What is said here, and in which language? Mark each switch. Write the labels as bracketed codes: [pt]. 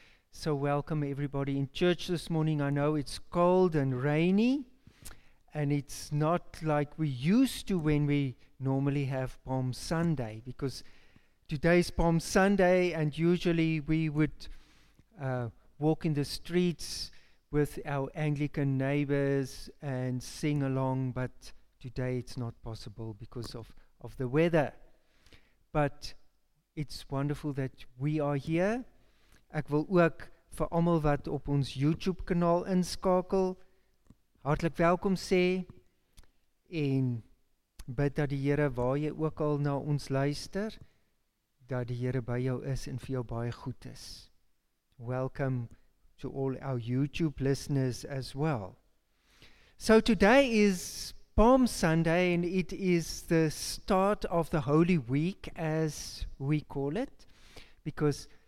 [en] So welcome everybody in church this morning. I know it's cold and rainy and it's not like we used to when we normally have Palm Sunday, because today is Palm Sunday and usually we would walk in the streets with our Anglican neighbors and sing along, but today it's not possible because of the weather. But it's wonderful that we are here. [af] Ek wil ook vir almal wat op ons YouTube kanaal inskakel, hartlik welkom sê en bid dat die Here, waar jy ook al na ons luister, dat die Here by jou is en vir jou baie goed is. [en] Welcome to all our YouTube listeners as well. So today is Palm Sunday and it is the start of the Holy Week, as we call it, because